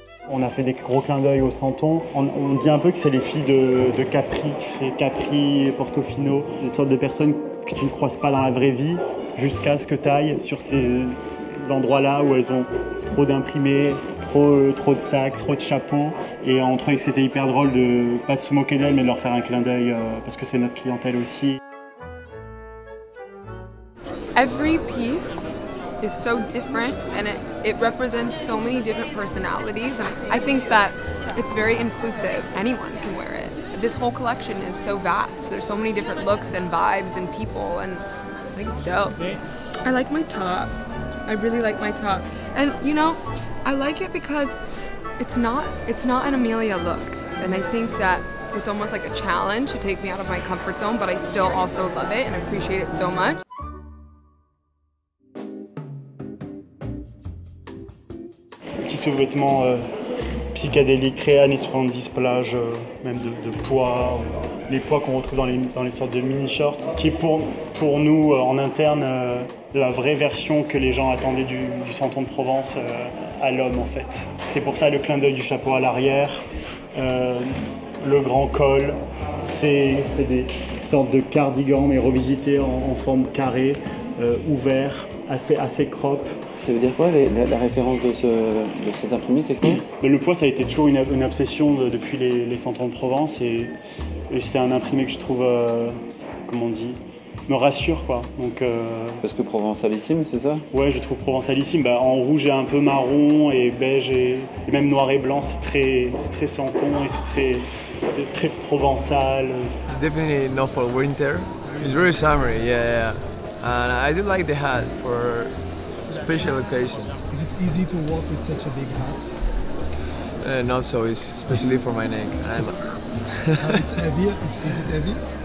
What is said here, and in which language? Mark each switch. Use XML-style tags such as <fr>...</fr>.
<fr>On a fait des gros clins d'œil aux Santons. On dit un peu que c'est les filles de Capri, tu sais, Capri, Portofino, des sortes de personnes que tu ne croises pas dans la vraie vie, jusqu'à ce que tu ailles sur ces endroits-là où elles ont trop d'imprimés, trop de sacs, trop de chapeaux. Et on trouvait que c'était hyper drôle de pas de se moquer d'elles, mais de leur faire un clin d'œil, parce que c'est notre clientèle aussi.</fr> <en>Every piece is so different and it represents so many different personalities, and I think that it's very inclusive. Anyone can wear it. This whole collection is so vast. There's so many different looks and vibes and people, and I think it's dope. I like my top. I really like my top. And you know, I like it because it's not an Amelia look, and I think that it's almost like a challenge to take me out of my comfort zone, but I still also love it and appreciate it so much.</en> <fr>Sous-vêtements psychédéliques, très années 70, plage, même de poids, les poids qu'on retrouve dans les sortes de mini-shorts, qui est pour nous, en interne, la vraie version que les gens attendaient du Santon de Provence à l'homme, en fait. C'est pour ça le clin d'œil du chapeau à l'arrière, le grand col, c'est des sortes de cardigans, mais revisités en forme carrée, ouverts, assez crop. Ça veut dire quoi la référence de cet imprimé, c'est quoi? Mais le poids, ça a été toujours une obsession depuis les Santons de Provence, et c'est un imprimé que je trouve, comment on dit, me rassure, quoi. Donc, parce que provençalissime, c'est ça? Ouais, je trouve provençalissime. Bah, en rouge et un peu marron, et beige et même noir et blanc, c'est très Santon, et c'est très provençal.</fr> <en>It's definitely not for winter. It's very summery, yeah. And I do like the hat for special occasion. Is it easy to walk with such a big hat? Not so easy, especially for my neck. It's heavy. Is it heavy?</en>